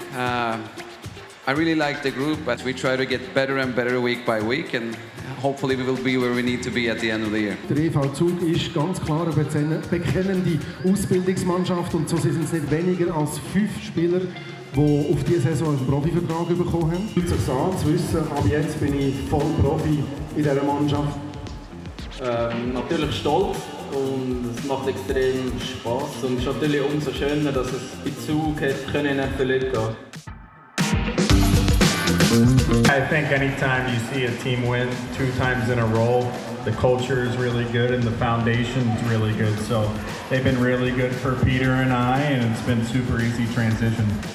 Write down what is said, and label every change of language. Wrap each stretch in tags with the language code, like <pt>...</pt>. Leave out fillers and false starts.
<en>I really like the group, but we try to get better and better week by week, and hopefully we will be where we need to be at the end of the year.</en> <de>Der EV Zug ist ganz klar eine bekennende Ausbildungsmannschaft, und so sind es nicht weniger als 5 Spieler, die auf diese Saison einen Profivertrag bekommen haben. Fühlt sich an, zu wissen, ab jetzt bin ich voll Profi in dieser Mannschaft. Natürlich stolz, und es macht extrem Spass. Und es ist natürlich umso schöner, dass es bei Zug hätte in Erfüllung gehen können.</de> <en>I think anytime you see a team win 2 times in a row, the culture is really good and the foundation's really good. So they've been really good for Peter and I, and it's been super easy transition.</en>